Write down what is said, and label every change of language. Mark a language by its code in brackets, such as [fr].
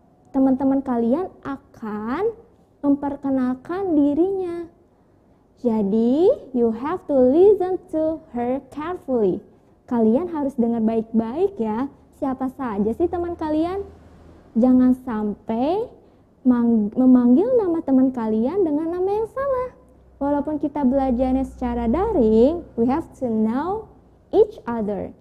[id] Teman-teman kalian akan memperkenalkan dirinya. Jadi, [en] you have to listen to her carefully. [id] Kalian harus dengar baik-baik ya, siapa saja sih teman kalian? Jangan sampai memanggil nama teman kalian dengan nama yang salah. Walaupun kita belajarnya secara daring, [en] we have to know each other.